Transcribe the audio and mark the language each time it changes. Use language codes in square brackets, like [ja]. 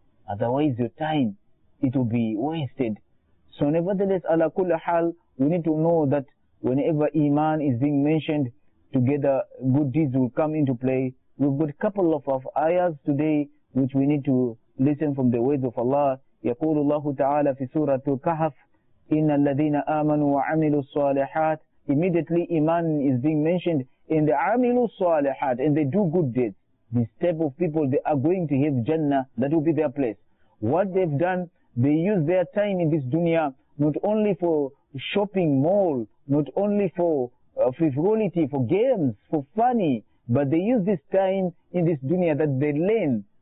[en] Otherwise, your time, it will be wasted. So nevertheless, ala kulli hal, we need to know that whenever iman is being mentioned, together good deeds will come into play. We've got a couple of ayahs today which we need to listen from the words of Allah. [ar] يَقُولُ اللَّهُ تَعَالَى فِي سُورَةُ الْكَهَفِ إِنَّ الَّذِينَ آمَنُوا وَعَمِلُوا الصَّالِحَاتِ. [en] Immediately iman is being mentioned, in the amilu salihat, and they do good deeds, this type of people, they are going to have Jannah, that will be their place. What they've done, they use their time in this dunya, not only for shopping mall, not only for frivolity, for games, for funny, but they use this time in this dunya that they learn.